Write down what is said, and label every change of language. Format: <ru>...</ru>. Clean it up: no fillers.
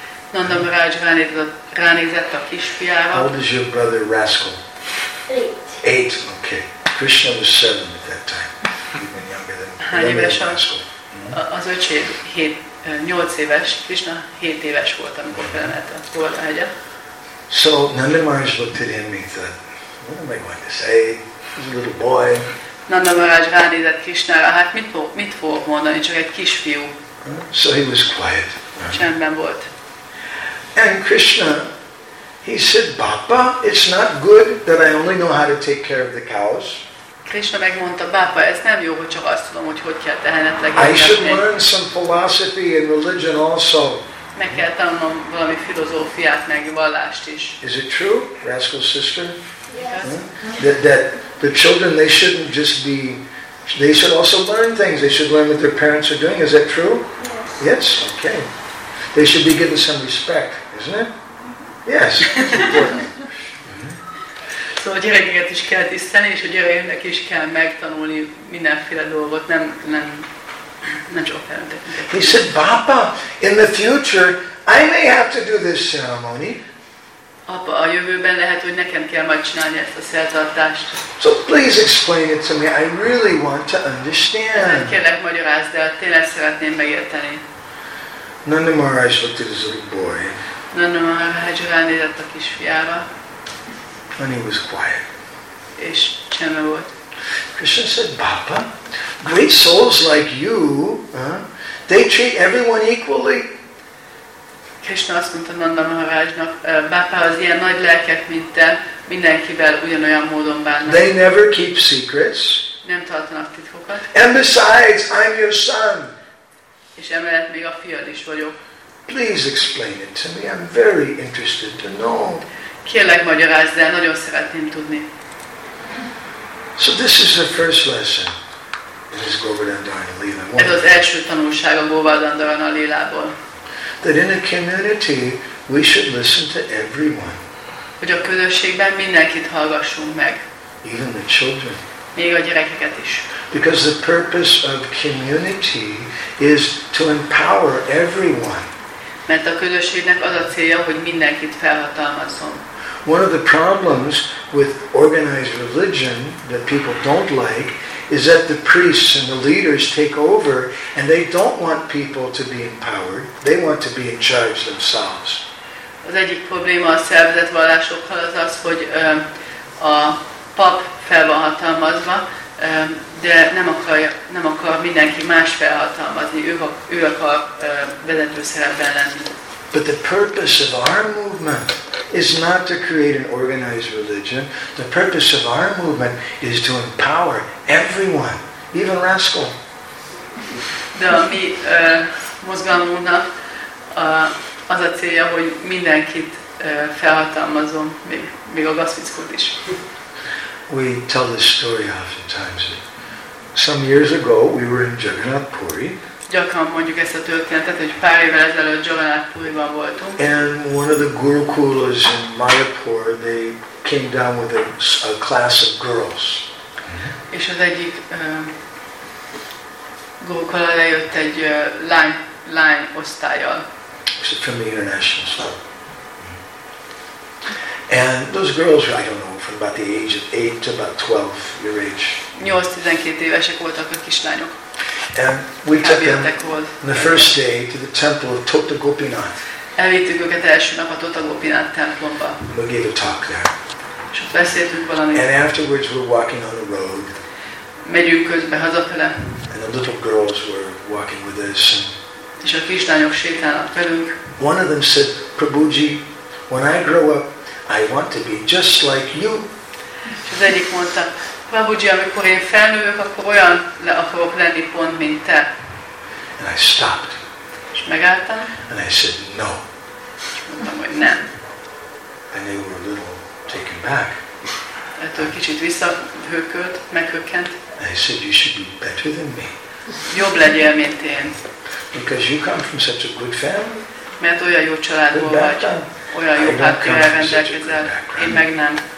<hu>Nanda Maharaj ránézett a kisfiára.</hu> <en>How old is your brother Rascal? Eight. Eight, okay. Krishna was seven at that time. Even younger than Rascal.</en> <hu>Az öcsé 8 éves, Krishna 7 éves volt, amikor felemelte volt a hegyet.</hu> <en>So Nanda Maharaj looked at him and he thought, what am I going to say? He's a little boy.</en> <hu>Nanda Maharaj ránézett Krishnára, hát mit fogok mondani, csak egy kisfiú.</hu> <en>So he was quiet.</en> <hu>Csendben volt.</hu> <en>And Krishna, he said, Bapa, it's not good that I only know how to take care of the cows.</en> <hu>Krishna megmondta, Bapa, ez nem jó, hogy csak azt tudom, hogy hogy kell tehenet legyen.</hu> <en>I should learn some philosophy and religion also.</en> <hu>Meg kell tanulnom valami filozófiát, meg vallást is.</hu> <en>Is it true, Rascal's sister? Yes. That the children, they shouldn't just be, they should also learn things. They should learn what their parents are doing. Is that true? Yes. Yes? Okay. They should be given some respect, isn't it? Yes.</en> <hu>Szóval a gyerekeket is kell tisztelni, és a gyerekeknek is kell megtanulni mindenféle dolgot. Nem csak a felnőtteknek.</hu> <en>He said, Papa, in the future, I may have to do this ceremony.</en> <hu>Apa, a jövőben lehet, hogy nekem kell majd csinálni ezt a szertartást.</hu> <en>So please explain it to me. I really want to understand.</en> <hu>Nem kérlek magyarázd, de tényleg szeretném megérteni.</hu> <en>Nanda Maharaj looked at his little boy.</en> <hu>Nanda Maharaj ránézett a kisfiára.</hu> <en>And he was quiet.</en> <hu>És csendben volt.</hu> <en>Krishna said, Papa, great souls like you, they treat everyone equally.</en> <hu>Krishna azt mondta Nanda Maharajnak, Bapa, az ilyen nagy lelket, mint te, mindenkivel ugyanolyan módon bánnak.</hu> <en>They never keep secrets.</en> <hu>Nem tartanak titkokat.</hu> <en>And besides, I'm your son.</en> <hu>És emellett még a fiad is vagyok.</hu> <en>Please explain it to me, I'm very interested to know.</en> <hu>Kérlek magyarázd el, nagyon szeretném tudni.</hu> <en>So this is the first lesson. It is Govardhan Dhyanalila.</en> <hu>Ez az első tanulság a Govardhan Dhyanalilából.</hu> <en>That in a community we should listen to everyone.</en> <hu>Hogy a közösségben mindenkit hallgassunk meg.</hu> <en>Even the children.</en> <hu>Még a gyerekeket is.</hu> <en>Because the purpose of community is to empower everyone.</en> <hu>Mert a közösségnek az a célja, hogy mindenkit felhatalmazzon.</hu> <en>One of the problems with organized religion that people don't like is that the priests and the leaders take over and they don't want people to be empowered. They want to be in charge themselves.</en> <hu>Az egyik probléma a szervezett vallásokkal az az, hogy a pap fel van hatalmazva, de nem akar mindenki más felhatalmazni. Ő akar vezető szerepben lenni.</hu> <en>But the purpose of our movement is not to create an organized religion. The purpose of our movement is to empower everyone, even Rascal.</en> <hu>De a mi mozgalmunknak az a célja, hogy mindenkit felhatalmazom, még a gazvickót is.</hu> <en>We tell this story oftentimes. Some years ago, we were in Jagannath Puri.</en> <hu>gyakran mondjuk ezt a történetet, hogy pár évvel ezelőtt Jagannathpuriban voltunk.</hu> <en>And one of the gurukulas in Mayapur, they came down with a class of girls.</en> <hu>És az egyik gurukula lejött egy lány osztályjal.</hu> <en>So from the international school. And those girls, I don't know, from about the age of 8 to about 12 your age.</en> <hu>8-12 évesek voltak a kislányok.</hu> <en>And we took them on the first day to the temple of Tota Gopinath.</en> <hu>Elvittük őket első nap a Tota Gopinath templomba.</hu> <en>We gave a talk there.</en> <hu>És ott beszéltünk valamit.</hu> <en>And afterwards we were walking on the road.</en> <hu>Megyünk közben hazafele.</hu> <en>And the little girls were walking with us.</en> <hu>És a kislányok sétálnak velünk.</hu> <en>One of them said, Prabhuji, when I grow up, I want to be just like you.</en> <hu>Az egyik mondta, Prabhuji, amikor én felnövök, akkor olyan le akarok lenni pont, mint te.</hu> <en>And I stopped.</en> <hu>És megálltam.</hu> <en>And I said, no.</en> <hu>És mondtam, hogy nem.</hu> <en>And they were a little taken back.</en> <hu>Ettől kicsit visszahőkölt, meghökkent.</hu> <en>And I said, you should be better than me.</en> <hu>Jobb legyél, mint én.</hu> <en>Because you come from such a good family.</en> <hu>Mert olyan jó családból vagy. Olyan jó háttérrel rendelkezel, én meg nem.</hu>